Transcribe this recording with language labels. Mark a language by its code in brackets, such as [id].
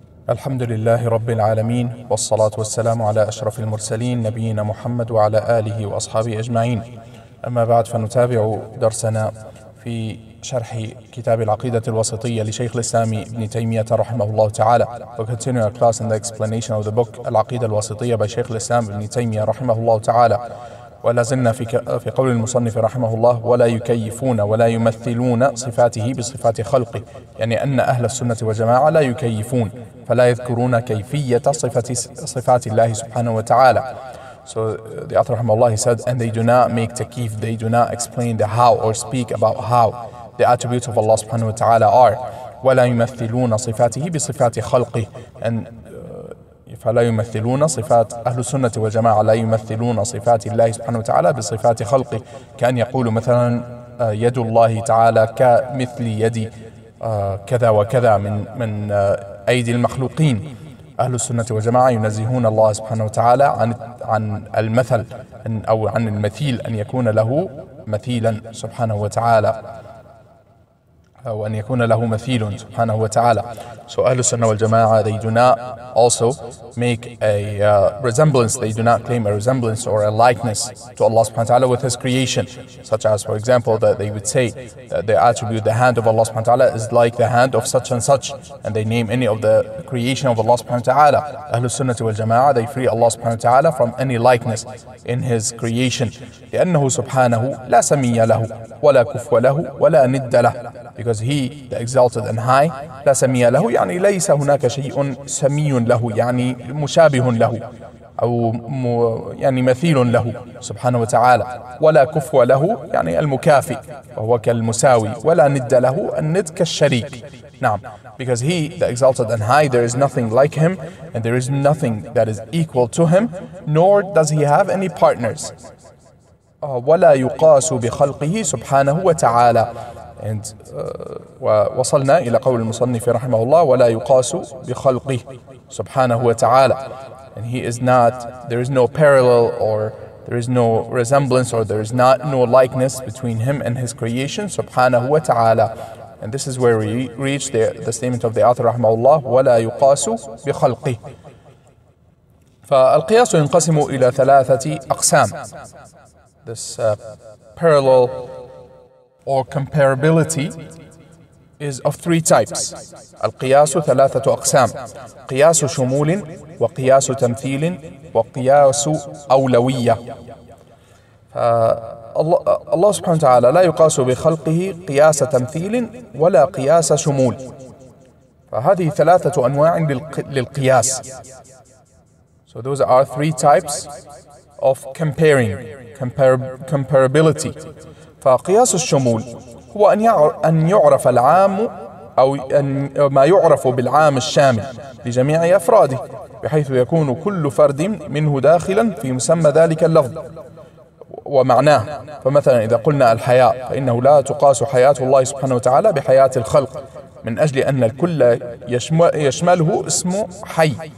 [ar] الحمد لله رب العالمين، والصلاة والسلام على أشرف المرسلين نبينا محمد وعلى آله وأصحابه أجمعين. أما بعد، فنتابع درسنا في شرح كتاب العقيدة الوسطية لشيخ الإسلام ابن تيمية رحمه الله تعالى. [en] We continue our class in the explanation of the book العقيدة الوسطية by شيخ الإسلام ابن تيمية رحمه الله تعالى. [ar] ولازلنا في قول المصنف رحمه الله: ولا يكيفون ولا يمثلون صفاته بصفات خلقه، يعني أن أهل السنة والجماعة لا يكيفون، فلا يذكرون كيفية صفات الله سبحانه وتعالى. [en] So the author رحمه الله said, and they do not make takif, they do not explain the how or speak about how the attributes of Allah سبحانه وتعالى are. [ar] ولا يمثلون صفاته بصفات خلقه، and فلا يمثلون صفات أهل السنة والجماعة، لا يمثلون صفات الله سبحانه وتعالى بصفات خلقه، كأن يقول مثلا يد الله تعالى كمثل يد كذا وكذا من أيدي المخلوقين. أهل السنة والجماعة ينزهون الله سبحانه وتعالى عن المثل أو عن المثيل، أن يكون له مثيلا سبحانه وتعالى، أو أن يكون له مثيل سبحانه وتعالى. [en] So أهل السنة والجماعة, they do not also make a resemblance, they do not claim a resemblance or a likeness to Allah سبحانه وتعالى with his creation. Such as, for example, that they would say that the attribute, the hand of Allah سبحانه وتعالى is like the hand of such and such, and they name any of the creation of Allah سبحانه وتعالى. أهل السنة والجماعة, they free Allah سبحانه وتعالى from any likeness in his creation. [ar] لأنه سبحانه لا سمي له ولا كفو له ولا ند له. [en] Because he, the exalted and high, [ar] لا سمي له، يعني ليس هناك شيء سمي له، يعني مشابه له أو يعني مثيل له سبحانه وتعالى. ولا كفو له، يعني المكافئ وهو كالمساوي. ولا ند له، الند كالشريك. نعم. [en] Because he, the exalted and high, there is nothing like him and there is nothing that is equal to him, nor does he have any partners. [ar] ولا يقاس بخلقه سبحانه وتعالى. And وصلنا إلى قول المصنف رحمه الله: ولا يقاس بخلقه سبحانه وتعالى. [en] And he is not, there is no parallel or there is no resemblance or there is not no likeness between him and his creation سبحانه وتعالى. And this is where we reach the statement of the author رحمه الله: [ar] ولا يقاس بخلقه. فالقياس ينقسم إلى ثلاثة أقسام. [en] This parallel or comparability is of three types. [ar] القياس ثلاثة أقسام: قياس شمول، وقياس تمثيل، وقياس أولوية. الله سبحانه وتعالى لا يقاس بخلقه قياس تمثيل ولا قياس شمول. فهذه ثلاثة أنواع للقياس. [en] So those are three types of comparing, comparability. [ar] فقياس الشمول هو أن يعرف العام أو ما يعرف بالعام الشامل لجميع أفراده، بحيث يكون كل فرد منه داخلا في مسمى ذلك اللفظ ومعناه. فمثلا إذا قلنا الحياء، فإنه لا تقاس حياة الله سبحانه وتعالى بحياة الخلق، من أجل أن الكل يشمله اسم حي.